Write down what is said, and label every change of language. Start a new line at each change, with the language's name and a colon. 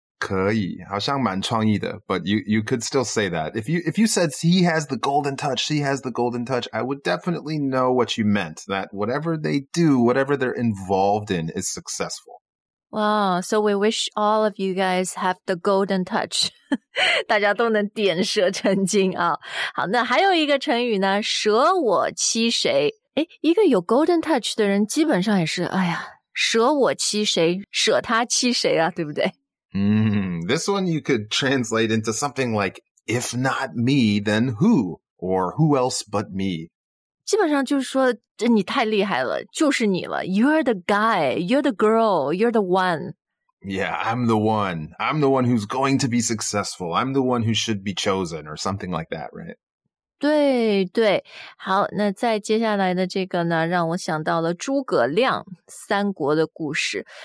Chinese: 可以，好像蛮创意的
English: ，but you could still say that. If you said he has the golden touch, she has the golden touch, I would definitely know what you meant. That whatever they do, whatever they're involved in, is successful. Wow, so we wish all of you guys have the golden touch.
Chinese: 大家都能点蛇成金啊！好，那还有一个成语呢，舍我其谁？哎，一个有 golden touch 的人，基本上也是，哎呀，舍我其谁？舍他其谁啊？对不对？
English: This one you could translate into something like, if not me, then who? Or who else but me?
Chinese: 基本上就是说你太厉害了就是你了
English: You're the guy, you're the girl, you're the one. Yeah, I'm the one. I'm the one who's going to be successful. I'm the one who should be chosen or something like that, right?
Chinese: 对对。好，那再接下来的这个呢让我想到了诸葛亮三国的故事。